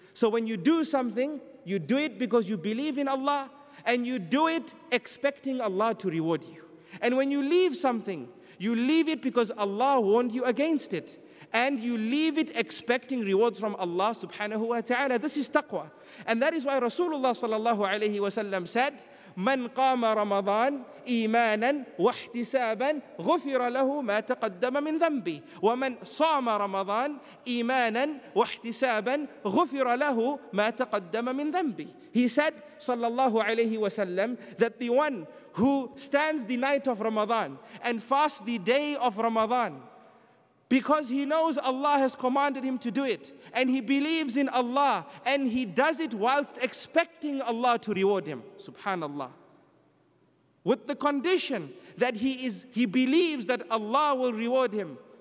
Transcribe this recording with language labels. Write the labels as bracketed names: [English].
[English] So when you do something, you do it because you believe in Allah, and you do it expecting Allah to reward you. And when you leave something, you leave it because Allah warned you against it, and you leave it expecting rewards from Allah subhanahu wa ta'ala. This is taqwa. And that is why Rasulullah sallallahu alayhi wa sallam said, [Arabic] من قام رمضان إيمانا واحتسابا غفر له ما تقدم من ذنبه ومن صام رمضان إيمانا واحتسابا غفر له ما تقدم من ذنبه. [English] He said sallallahu alayhi wa sallam that the one who stands the night of Ramadan and fasts the day of Ramadan because he knows Allah has commanded him to do it, and he believes in Allah, and he does it whilst expecting Allah to reward him, subhanallah, with the condition that he believes that Allah will reward him.